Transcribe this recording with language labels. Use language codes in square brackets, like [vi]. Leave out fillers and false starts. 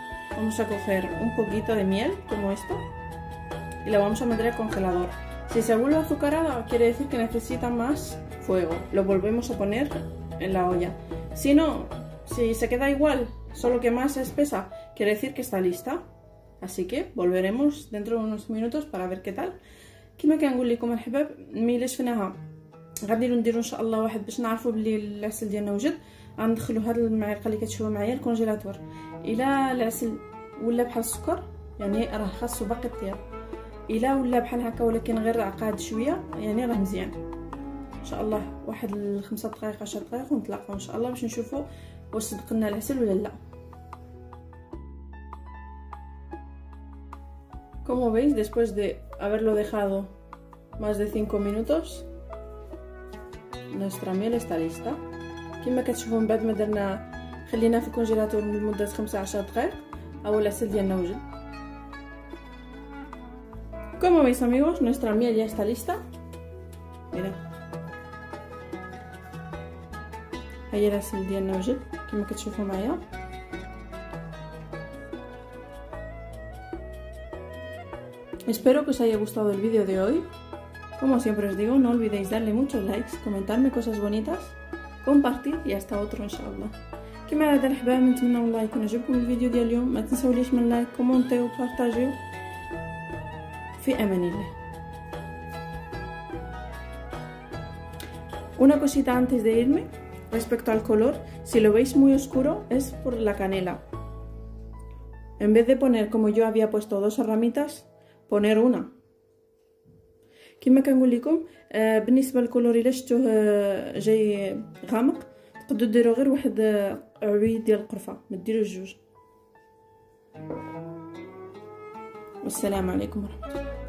[es] Vamos a coger un poquito de miel, como esto, y la vamos a meter al congelador. Si se vuelve azucarada, quiere decir que necesita más fuego. Lo volvemos a poner en la olla. Si no, si se queda igual, solo que más espesa, quiere decir que está lista. Así que volveremos dentro de unos minutos para ver qué tal. [ar] كما كان نقول لكم الحباب، ملي شفناها غادي نديرو ان شاء الله واحد باش نعرفو بلي العسل ديالنا وجد. غندخلو هاد المعلقه اللي كتشوفوا معايا الكونجيلاتور. الا العسل ولا بحال السكر يعني راه خاصو باقي طياب. الا ولا بحال هكا ولكن غير عقاد شويه يعني راه مزيان. ان شاء الله واحد 5 دقائق 10 دقائق ونتلاقاو ان شاء الله باش نشوفوا واش صدق لنا العسل ولا لا. [es] Como veis, después de haberlo dejado más de 5 minutos, nuestra miel está lista. [ar] كما كتشوفوا من بعد ما درنا خليناها في الكونجيلاتور لمدة 15 دقائق اول العسل ديالنا وجد. [es] Como veis amigos, nuestra miel ya está lista. Mira. [ar] هي العسل ديالنا وجد كما كتشوفوا معايا. [es] Espero que os haya gustado el vídeo de hoy. Como siempre os digo, no olvidéis darle muchos likes, comentarme cosas bonitas, compartir y hasta otro inshallah. Que me hagan ver, me tengan un like, cuando yo el vídeo de hoy, me tengan un like, comenten, compartan. [ar] Fi amanile. [es] Una cosita antes de irme, respecto al color, si lo veis muy oscuro es por la canela. En vez de poner como yo había puesto dos ramitas, poner una. [ar] كما كنقول لكم بالنسبه للكولور الا شفتوه جاي غامق تقدروا ديروا غير واحد عوي ديال القرفه ما ديروش جوج. والسلام عليكم ورحمه الله.